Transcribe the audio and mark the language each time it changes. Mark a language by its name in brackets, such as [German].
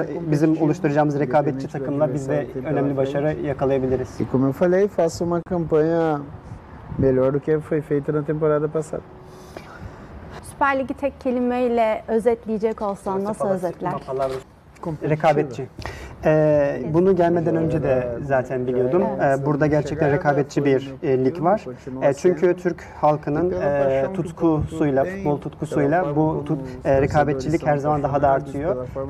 [Turkish] Bizim oluşturacağımız rekabetçi takımla biz de önemli başarı yakalayabiliriz. [Portuguese] Como eu falei, faço uma campanha melhor do que foi feito na temporada passada. [Turkish] Süper Ligi tek kelimeyle özetleyecek olsan nasıl özetler? Rekabetçi. Bunu gelmeden önce de zaten biliyordum. Burada gerçekten rekabetçi bir lig var. Çünkü Türk halkının tutkusuyla, futbol tutkusuyla bu rekabetçilik her zaman daha da artıyor.